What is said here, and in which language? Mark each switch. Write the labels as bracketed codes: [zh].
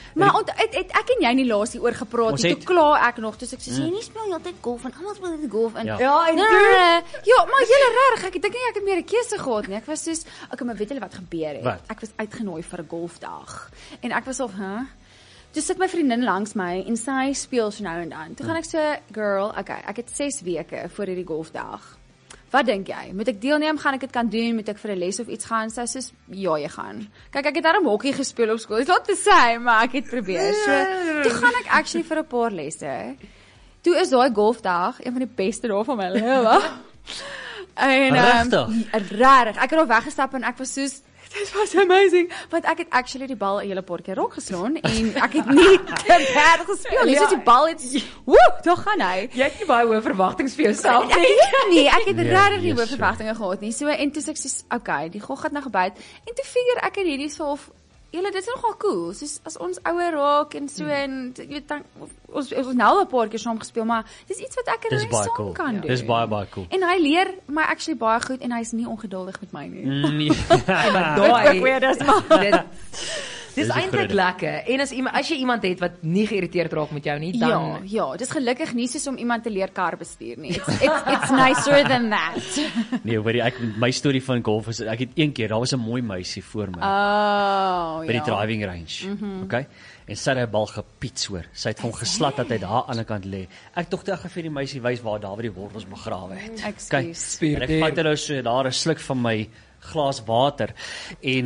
[af] Maar ek en jy nie laas hier oor gepraat nie. Toe klaar ek nog, toe ek sê jy nie speel altyd golf en almal speel golf en ja, en doen. Ja, maar jy is reg. Ek dink nie ek het meer 'n keuse gehad nie. Ek was soos, okay, maar weet julle wat gebeur het? Ek was uitgenooi vir 'n golfdag. En ek was al, hè? Toe sit my vriendin langs my en sy speel so nou en dan. Toe gaan ek so, girl, okay, ek het 6 weke voor hierdie golfdag. Wat dink jy? Moet ek deelneem? Gaan ek dit kan doen? Moet ek vir 'n les of iets gaan? Sy sê soos, ja, jy gaan. Kyk, ek het daarom hokkie gespeel op skool. Dis lot te sê, maar ek het probeer. So, toe gaan ek actually vir 'n paar lesse. Toe is daai golfdag een van die beste dae van my lewe. En rarig. Ek het al weggestap en ek was soos, dit was amazing, want ek het actually die bal 'n hele paar keer raak geslaan en ek het nie te bad gespeel. Ja. Dis die bal het, woe, toe gaan hy. Jy het nie baie hoë verwagtinge vir jouself nie. Nee, ek het regtig nie hoë verwagtinge gehad nie. So en toe sê ek soos, okay, die gog het nou gebyt en toe figure ek in hierdie so of julle dit is nogal cool. Soos as ons ouer raak en so en jy weet ons nou al 'n paar keer saam gespeel, maar dis iets wat ek regtig saam cool. kan doen. Dis baie baie cool. En hy leer my actually baie goed en hy is nie ongeduldig met my nie. Nee. Dis eintlik lekker. En as jy iemand het wat nie geïrriteerd raak met jou nie, dan ja, dis gelukkig nie soos om iemand te leer kar bestuur nie. [en] It's nicer than that. [af] Nee, maar my storie van golf is ek het een keer, daar was 'n mooi meisie voor my. Oh, by die driving range. Mm-hmm. Okay? En sy het 'n bal gepiets hoor. Sy het hom geslat dat hy daar aan die ander kant lê. Ek tog toe ek vir die meisie wys waar daar waar die wortels begrawe het. Okay. En ek vat hulle so daar 'n sluk van my glas water en